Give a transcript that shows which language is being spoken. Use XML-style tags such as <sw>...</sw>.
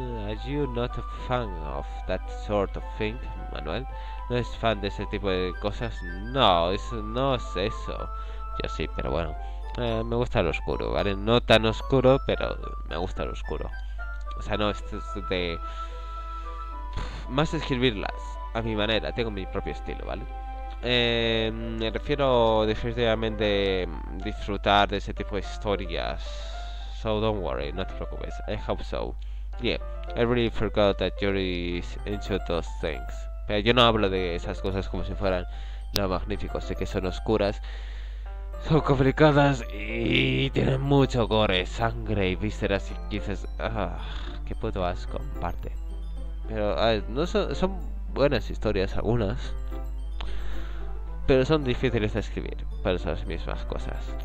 <en>Are you not a fan of that sort of thing, Manuel?</en> <es>¿No es fan de ese tipo de cosas? No, eso no es eso. Yo sí, pero bueno. Me gusta lo oscuro, ¿vale? No tan oscuro, pero me gusta lo oscuro. O sea, no, esto es de. Más escribirlas a mi manera, tengo mi propio estilo, ¿vale? Me refiero definitivamente a disfrutar de ese tipo de historias</es> <en>so don't worry,</en> <es>no te preocupes.</es> <en>I hope so. Yeah, I really forgot that you're into those things.</en> <es>Pero yo no hablo de esas cosas como si fueran lo magnífico. Sé que son oscuras, son complicadas y tienen mucho gore, sangre y vísceras. Y dices, qué puto asco, parte. Pero no son buenas historias algunas, pero son difíciles de escribir para esas mismas cosas.</es>